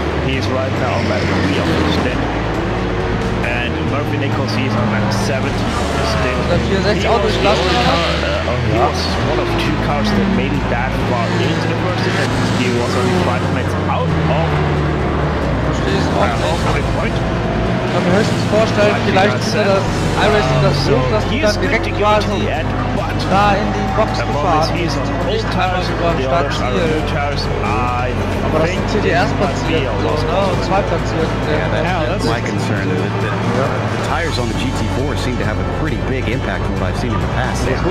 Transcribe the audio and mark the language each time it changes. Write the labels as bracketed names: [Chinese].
[English] He is right now on lap 3 of the stint. And Murphy Nichols, he is on lap 7 of the stint. He was one of two cars that made it that far into the first stint. He was only 5 minutes out of the point. [German] Ich kann mir höchstens vorstellen, vielleicht ist ja das iRacing das so, dass du dann direkt quasi da in die Box gefahren bist, nicht teilweise über den Startziel. Aber das sind hier die Erstplatzierten, ne? Und Zweitplatzierten. [English] My concern is that the tires on the GT4 seem to have a pretty big impact from what I've seen in the past.